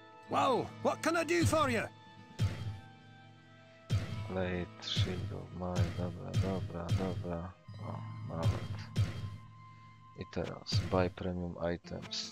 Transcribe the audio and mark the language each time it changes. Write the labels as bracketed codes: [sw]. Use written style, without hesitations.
[en] Well, what can I do for you? [pl] Play trzy do mojej, dobra. O, nawet. I teraz, [en] buy premium items.